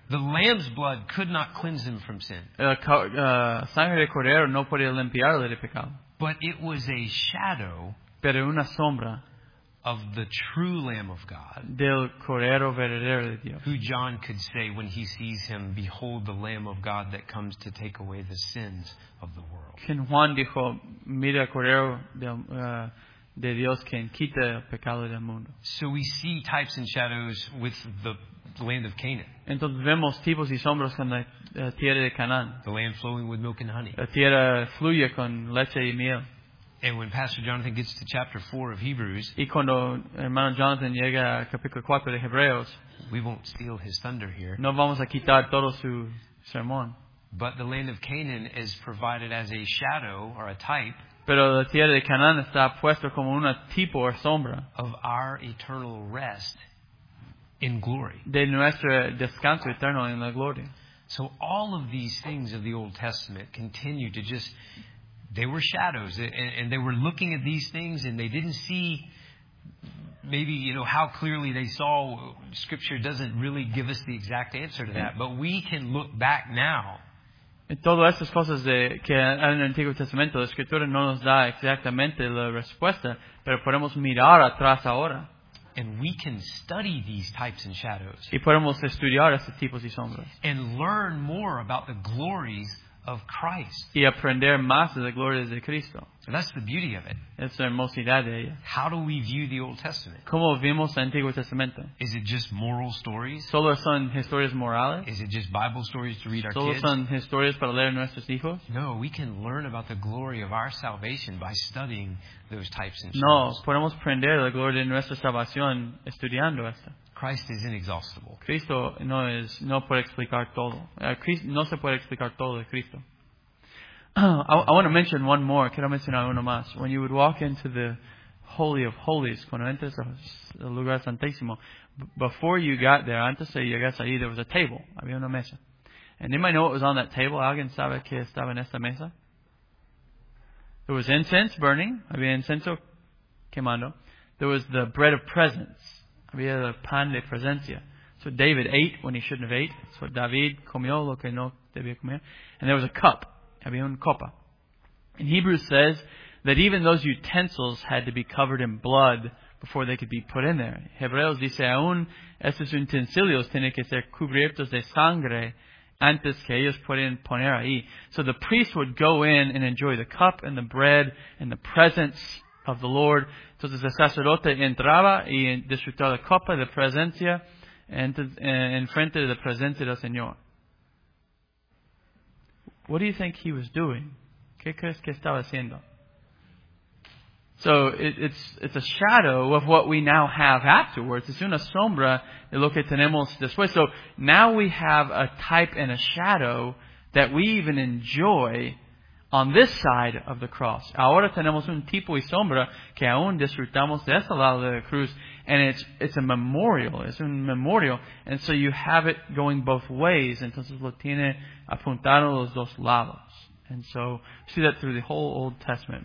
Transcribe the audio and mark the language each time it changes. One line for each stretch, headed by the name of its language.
English: The lamb's blood could not cleanse him from sin.
Spanish: La sangre del cordero no podía limpiarle de pecado.
English: But it was a shadow,
Spanish: pero una sombra,
English: of the true Lamb of God,
Spanish: del Cordero Verdadero de Dios,
English: who John could say when he sees him, "Behold the Lamb of God that comes to take away the sins of the world."
Spanish: Quien Juan dijo, "Mira Cordero de Dios quien quita el pecado del mundo."
English: So we see types and shadows with the land of Canaan.
Spanish: Entonces vemos tipos y sombras con la tierra de Canaán.
English: The land flowing with milk and honey.
Spanish: La tierra fluye con leche y miel.
English: And when Pastor Jonathan gets to chapter 4 of Hebrews,
Spanish: y cuando hermano Jonathan llega a capítulo 4 de Hebreos,
English: we won't steal his thunder here.
Spanish: No vamos a quitar todo su sermón.
English: But the land of Canaan is provided as a shadow or a type.
Spanish: Pero la tierra de Canaán está puesta como una tipo o sombra
English: of our eternal rest in glory.
Spanish: De nuestro descanso eterno en la gloria.
English: So all of these things of the Old Testament continue to just, they were shadows, and they were looking at these things, and they didn't see maybe, you know, how clearly they saw. Scripture doesn't really give us the exact answer to that, but we can look back now.
Spanish: Todas estas cosas que en el Antiguo Testamento, la Escritura no nos da exactamente la respuesta, pero podemos mirar atrás ahora.
English: And we can study these types and shadows.
Spanish: Y podemos estudiar estos tipos y sombras.
English: And learn more about the glories of Christ.
Spanish: Y aprender más de la gloria de Cristo.
English: And that's the beauty of it.
Spanish: Es la hermosidad de ella.
English: How do we view the Old Testament?
Spanish: ¿Cómo vemos el Antiguo Testamento?
English: Is it just moral stories?
Spanish: ¿Solo son historias morales?
English: Is it just Bible stories to read our
Spanish: ¿Solo
English: kids?
Spanish: ¿Solo son historias para leer a nuestros hijos?
English: No, we can learn about the glory of our salvation by studying those types and shadows.
Spanish: No, podemos aprender la gloria de nuestra salvación estudiando esto.
English: Christ is inexhaustible.
Spanish: Cristo no es, no puede explicar todo. No se puede explicar todo de Cristo.
English: I want to mention one more.
Spanish: Quiero mencionar uno más.
English: When you would walk into the Holy of Holies,
Spanish: cuando entras al lugar santísimo,
English: before you got there,
Spanish: antes de llegar allí,
English: there was a table.
Spanish: Había una mesa.
English: And anybody know what was on that table?
Spanish: ¿Alguien sabe qué estaba en esta mesa?
English: There was incense burning.
Spanish: Había incenso quemando.
English: There was the bread of presence.
Spanish: Había el pan de presencia.
English: So David ate when he shouldn't have ate.
Spanish: So David comió lo que no debía comer.
English: And there was a cup.
Spanish: Había una copa.
English: And Hebrews says that even those utensils had to be covered in blood before they could be put in there.
Spanish: Hebreos dice, aún estos utensilios tienen que ser cubiertos de sangre antes que ellos pueden poner ahí.
English: So the priest would go in and enjoy the cup and the bread and the presence of the Lord.
Spanish: Entonces el sacerdote entraba y disfrutaba la copa de presencia en frente de la presencia del Señor.
English: What do you think he was doing?
Spanish: ¿Qué crees que estaba haciendo?
English: So it's a shadow of what we now have afterwards. It's
Spanish: una sombra de lo que tenemos después.
English: So now we have a type and a shadow that we even enjoy on this side of the cross.
Spanish: Ahora tenemos un tipo y sombra que aún disfrutamos de este lado de la cruz.
English: And it's a memorial. It's a memorial. And so you have it going both ways.
Spanish: Entonces lo tiene apuntado los dos lados.
English: And so we see that through the whole Old Testament.